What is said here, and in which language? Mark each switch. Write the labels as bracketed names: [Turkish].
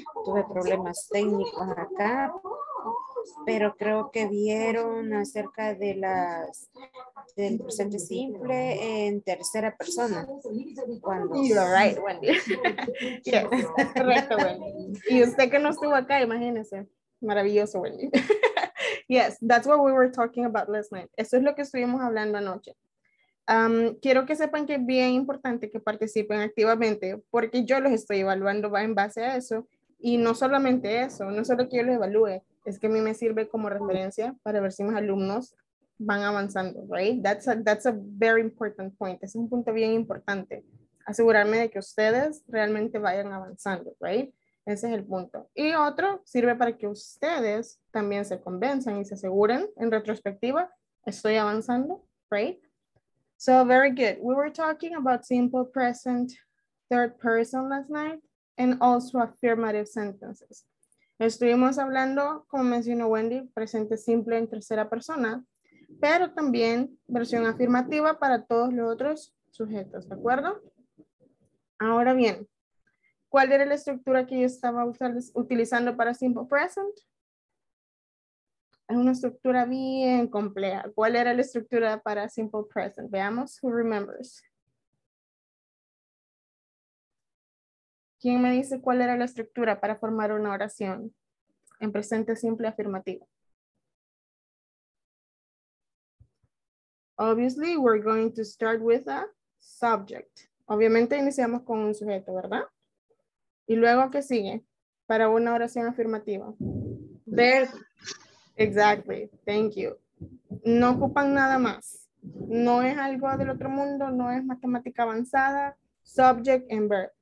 [Spanish] Tuve problemas técnicos acá. Pero creo que vieron acerca de las del presente simple en tercera persona. Cuando... [English] You're right, Wendy. Yes, [Spanish] correcto, Wendy. Y usted que no estuvo acá, imagínese. Maravilloso, Wendy. [English] Yes, that's what we were talking about last night. [Spanish] Eso es lo que estuvimos hablando anoche. Quiero que sepan que es bien importante que participen activamente porque yo los estoy evaluando en base a eso. Y no solamente eso, no solo que yo los evalúe. Es que a mí me sirve como referencia para ver si mis alumnos van avanzando, right? [English] That's a very important point. [Spanish] Es un punto bien importante. Asegurarme de que ustedes realmente vayan avanzando, right? Ese es el punto. Y otro sirve para que ustedes también se convenzan y se aseguren en retrospectiva, estoy avanzando, right? [English] So, very good. We were talking about simple present, third person last night, and also affirmative sentences. [Spanish] Estuvimos hablando, como mencionó Wendy, presente simple en tercera persona, pero también versión afirmativa para todos los otros sujetos, ¿de acuerdo? Ahora bien, ¿cuál era la estructura que yo estaba utilizando para simple present? Es una estructura bien compleja. ¿Cuál era la estructura para simple present? Veamos, [English] who remembers. [Spanish] ¿Quién me dice cuál era la estructura para formar una oración en presente simple afirmativo? [English] Obviously, we're going to start with a subject. [Spanish] Obviamente, iniciamos con un sujeto, ¿verdad? Y luego, ¿qué sigue para una oración afirmativa? [English] There. Exactly. Thank you. [Spanish] No ocupan nada más. No es algo del otro mundo. No es matemática avanzada. [English] Subject and verb.